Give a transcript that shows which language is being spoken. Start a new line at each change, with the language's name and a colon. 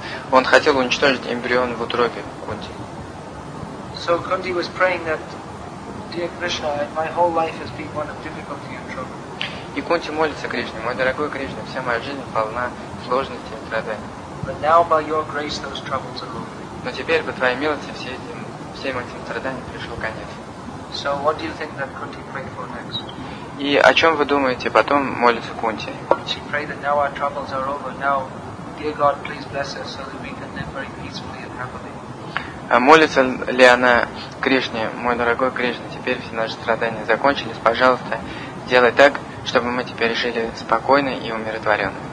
Russian: Он хотел уничтожить эмбрион в утробе Кунти.
English: So Kunti was praying that, dear Krishna, my whole life has been one of difficulty and trouble.
Russian: И Кунти молится Кришне: мой дорогой Кришна, вся моя жизнь полна сложностей и страданий.
English: But now by your grace those troubles are over.
Russian: Но теперь, по твоей милости, всем этим страданиям пришел конец.
English: So what do you think that Kunti prayed for next?
Russian: И о чем вы думаете, потом молится Кунти?
English: She prayed that now our troubles are over, now, dear God, please bless us so that we can live very peacefully and happily.
Russian: Молится ли она Кришне: мой дорогой Кришна, теперь все наши страдания закончились, пожалуйста, сделай так, чтобы мы теперь жили спокойно и умиротворенно.